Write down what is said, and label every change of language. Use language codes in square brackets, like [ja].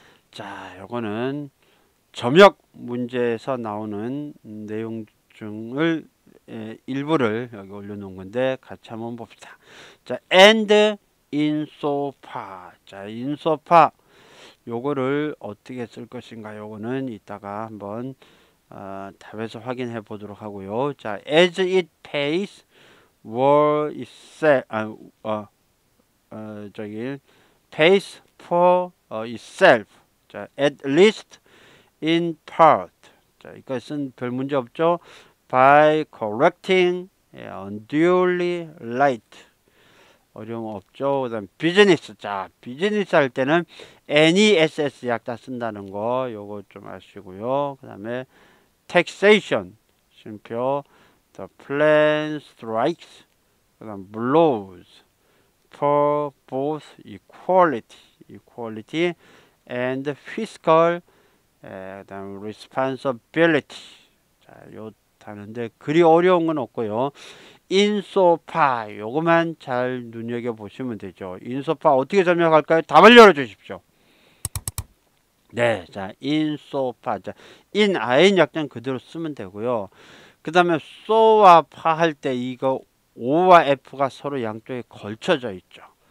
[ko] 자, 요거는 점역 문제에서 나오는 내용 중을 일부를 여기 올려놓은 건데 같이 한번 봅시다. [en] 자, and in so far. 자, in so far. [ko] 요거를 어떻게 쓸 것인가? 요거는 이따가 한번 답에서 확인해 보도록 하고요. [en] 자, as it pays, were it said, 저기 pays for itself. [ko] 자, [en] at least in part. [ko] 자, 이거 쓴별 문제 없죠? [en] By correcting unduly light. [ko] 어려움 없죠. 그다음 비즈니스. 자, 비즈니스 할 때는 NESS 약자 쓴다는 거 요거 좀 아시고요. [en] 그다음에 taxation 쉼표 the plan strikes 그다음 blows for both equality and fiscal 그다음 responsibility. [ko] 자, 요 다는데 그리 어려운 건 없고요. insofar 요거만 잘 눈여겨보시면 되죠. insofar 어떻게 설명할까요? 답을 열어주십시오. 네, 자, insofar. 자, in, in 약자는 그대로 쓰면 되고요. 그 다음에 so와 far 할때 이거 o와 f가 서로 양쪽에 걸쳐져 있죠.